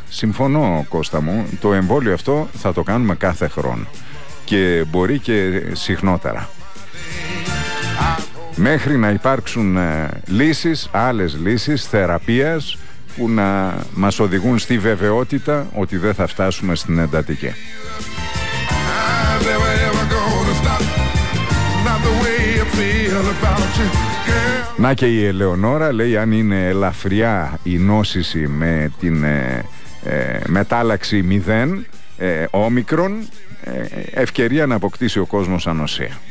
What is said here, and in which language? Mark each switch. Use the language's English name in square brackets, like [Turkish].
[Greek] Συμφωνώ Κώστα μου, το εμβόλιο αυτό θα το κάνουμε κάθε χρόνο και μπορεί και συχνότερα. Μέχρι να υπάρξουν λύσεις, άλλες λύσεις θεραπείας που να μας οδηγούν στη βεβαιότητα ότι δεν θα φτάσουμε στην εντατική. [English] I never ever gonna stop, not the way I feel about you. [Greek] Να και η Ελεονόρα λέει, αν είναι ελαφριά η νόσηση με την μετάλλαξη 0 όμικρον, ευκαιρία να αποκτήσει ο κόσμος ανοσία.